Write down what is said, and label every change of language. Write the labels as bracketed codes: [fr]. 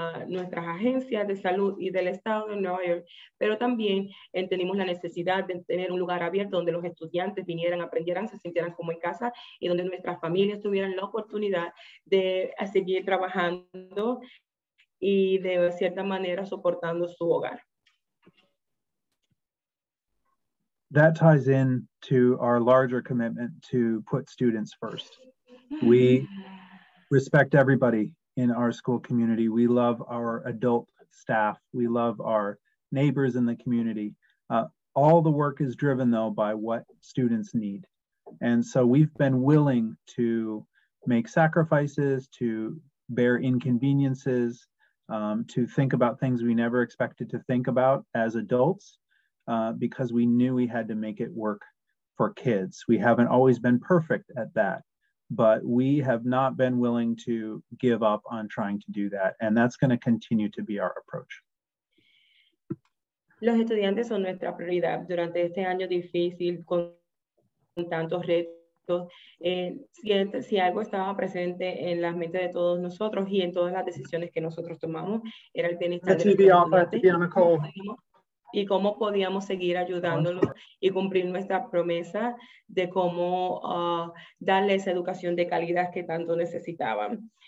[es] nuestras agencias de salud y del estado de Nueva York, pero también entendimos la necesidad de tener un lugar abierto donde los estudiantes vinieran, aprendieran, se sintieran como en casa y donde nuestras familias tuvieran la oportunidad de seguir trabajando y de cierta manera soportando su hogar. [en] That ties in to our larger commitment to put students first. We respect everybody in our school community. We love our adult staff. We love our neighbors in the community. All the work is driven though by what students need. And so we've been willing to make sacrifices, to bear inconveniences, to think about things we never expected to think about as adults, because we knew we had to make it work for kids. We haven't always been perfect at that, but we have not been willing to give up on trying to do that. And that's going to continue to be our approach. [es] Los estudiantes son nuestra prioridad durante este año difícil con tantos retos. Si algo estaba presente en las mentes de todos nosotros y en todas las decisiones que nosotros tomamos era el bienestar de y cómo podíamos seguir ayudándolos y cumplir nuestra promesa de cómo darles educación de calidad que tanto necesitaban.